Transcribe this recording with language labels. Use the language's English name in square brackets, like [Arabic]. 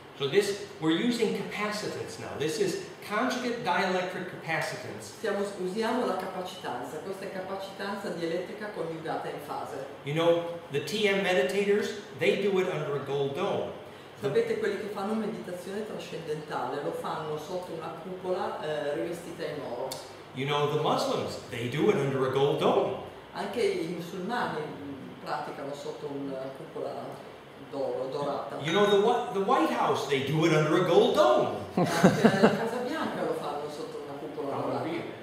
[English] So this, we're using capacitance now. This is conjugate dielectric capacitance. [Italian] Usiamo la capacitanza. Questa è capacitanza dielettrica coniugata in fase. [English] You know, the TM meditators, they do it under a gold dome. [Italian] Sapete quelli che fanno meditazione trascendentale? Lo fanno sotto una cupola rivestita in oro. [English] You know, the Muslims, they do it under a gold dome. [Italian] Anche i musulmani praticano sotto una cupola dorata. [English] You know, the White House, they do it under a gold dome. [Italian] La Casa Bianca lo fanno sotto una cupola dorata.